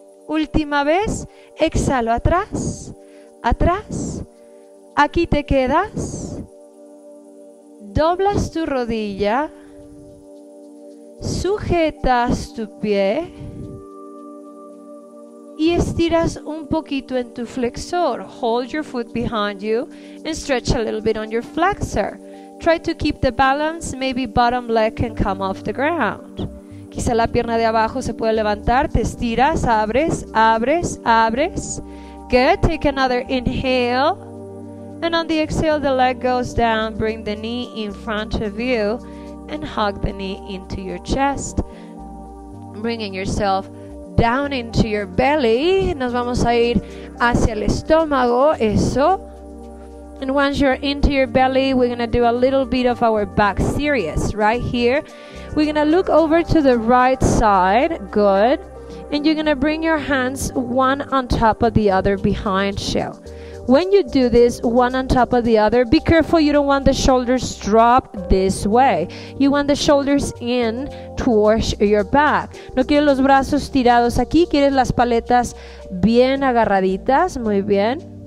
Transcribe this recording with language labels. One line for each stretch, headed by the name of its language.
Spanish: Última vez, exhalo atrás, atrás, aquí te quedas, doblas tu rodilla, sujetas tu pie y estiras un poquito en tu flexor.
English: Hold your foot behind you and stretch a little bit on your flexor. Try to keep the balance, maybe bottom leg can come off the ground.
Spanish: Quizá la pierna de abajo se puede levantar, te estiras, abres, abres, abres.
English: Good, take another inhale. And on the exhale, the leg goes down, bring the knee in front of you and hug the knee into your chest. Bringing yourself down into your belly.
Spanish: Nos vamos a ir hacia el estómago, eso.
English: And once you're into your belly, we're gonna do a little bit of our back series right here. We're gonna look over to the right side, good. And you're gonna bring your hands one on top of the other behind you. When you do this, one on top of the other, be careful you don't want the shoulders drop this way. You want the shoulders in towards your back.
Spanish: No quieres los brazos tirados aquí, quieres las paletas bien agarraditas, muy bien.